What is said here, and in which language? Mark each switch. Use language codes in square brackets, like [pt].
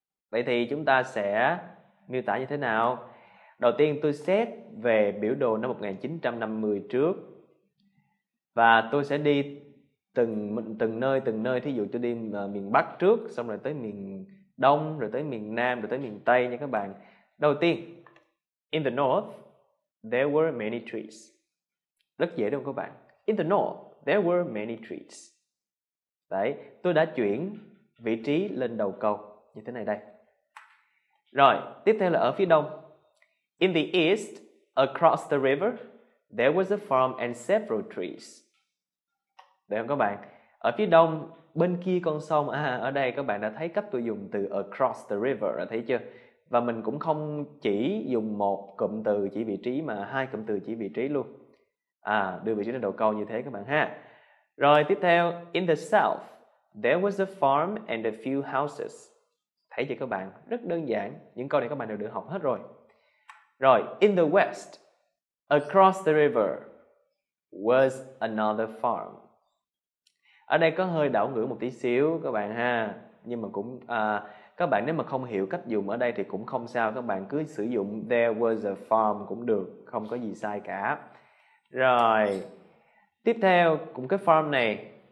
[vi] Vậy thì chúng ta sẽ miêu tả như thế nào? Đầu tiên tôi xét về biểu đồ năm 1950 trước. Và tôi sẽ đi từng nơi. Thí dụ tôi đi miền Bắc trước, xong rồi tới miền Đông, rồi tới miền Nam, rồi tới miền Tây nha các bạn. Đầu tiên, [en] in the north, there were many trees. [vi] Rất dễ đúng không các bạn? [en] In the north, there were many trees. [vi] Đấy, tôi đã chuyển vị trí lên đầu câu như thế này đây. Rồi, tiếp theo là ở phía Đông. [en] In the east, across the river, there was a farm and several trees. [vi] Được không các bạn? Ở phía đông, bên kia con sông, ở đây các bạn đã thấy cách tôi dùng từ [en] across the river, [vi] thấy chưa? Và mình cũng không chỉ dùng một cụm từ chỉ vị trí mà hai cụm từ chỉ vị trí luôn. Đưa vị trí lên đầu câu như thế các bạn ha. Rồi tiếp theo, [en] in the south, there was a farm and a few houses. [vi] Thấy chưa các bạn? Rất đơn giản, những câu này các bạn đều được học hết rồi. [en] Rồi, in the west, across the river, was another farm. [vi] Ở đây có hơi đảo ngữ một tí xíu các bạn ha. Nhưng mà cũng, các bạn nếu mà không hiểu cách dùng ở đây thì cũng không sao. Các bạn cứ sử dụng [en] there was a farm [vi] cũng được, không có gì sai cả. Rồi, tiếp theo, cũng cái farm này.